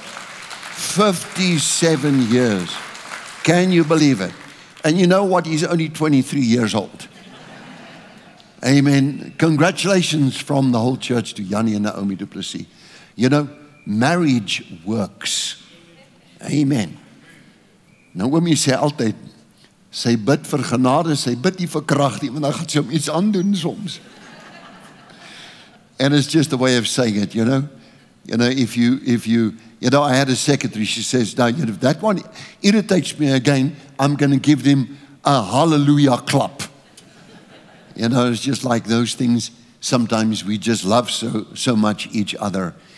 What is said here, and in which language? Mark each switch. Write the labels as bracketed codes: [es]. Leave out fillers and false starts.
[en] 57 years. Can you believe it? And you know what? He's only 23 years old. Amen. Congratulations from the whole church to Yanni and Naomi du Plessis. You know, marriage works. Amen. [af] Nou oom, jy sê altyd, sy bid vir genade, sy bid nie vir krag nie, want dan gaan sy om iets aandoen soms. [en] And it's just a way of saying it, you know. You know, if you, I had a secretary, she says, now, you know, if that one irritates me again, I'm going to give them a hallelujah clap. You know, it's just like those things. Sometimes we just love so much each other.